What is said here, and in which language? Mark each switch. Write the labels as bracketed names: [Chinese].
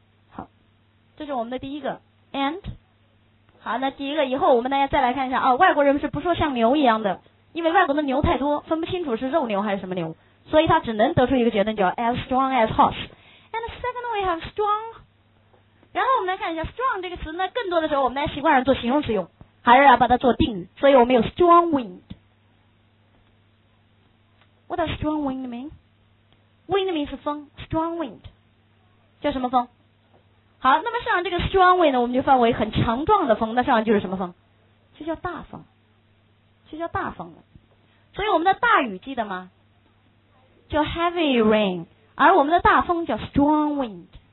[Chinese] 好，这是我们的第一个 and。好，那第一个以后我们大家再来看一下啊，外国人是不说像牛一样的，因为外国的牛太多，分不清楚是肉牛还是什么牛，所以他只能得出一个结论叫 as strong as horse。 [English] And second we have strong。 [Chinese] 然后我们来看一下 strong 这个词呢，更多的时候我们来习惯上做形容词用，还是要把它做定语，所以我们有 strong wind。 [English] What does strong wind mean? Wind means [Chinese] 风， strong wind 叫什么风。好，那么上这个 strong wind 呢，我们就范围很强壮的风，那上就是什么风，就叫大风，就叫大风了。所以我们的大雨记得吗，叫 heavy rain， 而我们的大风叫 strong wind。